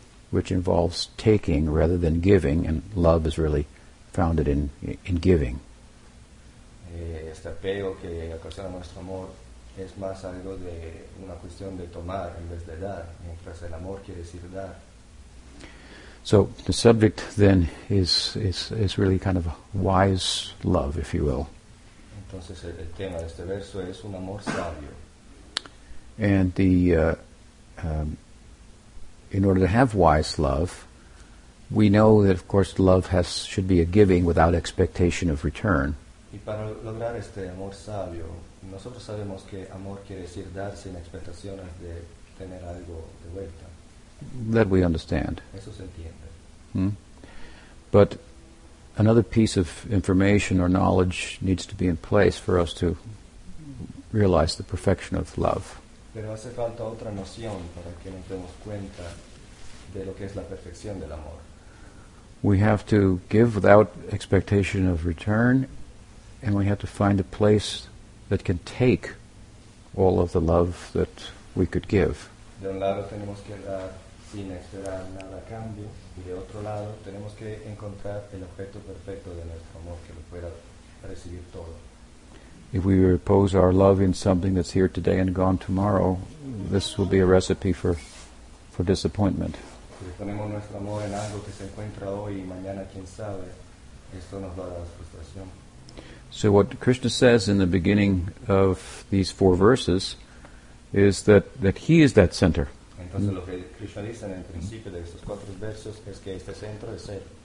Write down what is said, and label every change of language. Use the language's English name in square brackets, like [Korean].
[English] Which involves taking rather than giving, and love is really founded in giving. [Spanish] Este apego que ocasiona nuestro amor es más algo de una cuestión de tomar en vez de dar, mientras el amor quiere decir dar. [English] So the subject then is really kind of a wise love, if you will. [Spanish] Entonces el tema de este verso es un amor sabio. [English] And the in order to have wise love, we know that, of course, love should be a giving without expectation of return. [Spanish] Y para lograr este amor sabio, nosotros sabemos que amor quiere decir dar sin expectaciones de tener algo de vuelta. [English] That we understand. [Spanish] Eso se entiende. [English] But another piece of information or knowledge needs to be in place for us to realize the perfection of love. [Spanish] Pero hace falta otra noción para que nos demos cuenta de lo que es la perfección del amor. [English] We have to give without expectation of return, and we have to find a place that can take all of the love that we could give. [Spanish] De un lado tenemos que dar sin esperar nada a cambio, y de otro lado tenemos que encontrar el objeto perfecto de nuestro amor que lo pueda recibir todo. [English] If we repose our love in something that's here today and gone tomorrow, this will be a recipe for disappointment. [Spanish] Si ponemos nuestro amor en algo que se encuentra hoy y mañana quién sabe, esto nos va a dar frustración. [English] So what Krishna says in the beginning of these four verses is that he is that center. [Spanish] Entonces lo que Krishna dice en el principio de estos cuatro versos es que este centro es él.